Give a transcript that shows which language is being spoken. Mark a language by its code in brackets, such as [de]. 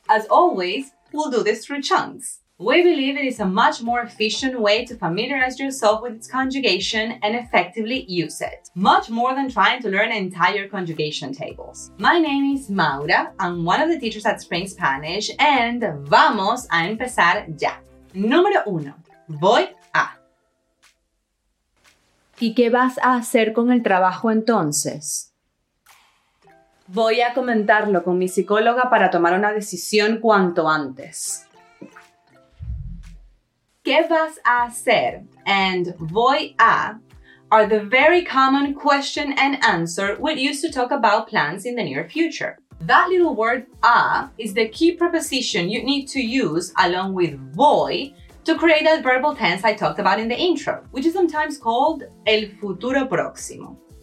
[en] As always, we'll do this through chunks. We believe it is a much more efficient way to familiarize yourself with its conjugation and effectively use it, much more than trying to learn entire conjugation tables. My name is Maura, I'm one of the teachers at Spring Spanish, and [es] vamos a empezar ya. Número uno, voy a. ¿Y qué vas a hacer con el trabajo entonces? Voy a comentarlo con mi psicóloga para tomar una decisión cuanto antes. ¿Qué vas a hacer? [en] And voy a are the very common question and answer we use to talk about plans in the near future. That little word a is the key preposition you need to use along with voy to create that verbal tense I talked about in the intro, which is sometimes called [es] el futuro próximo.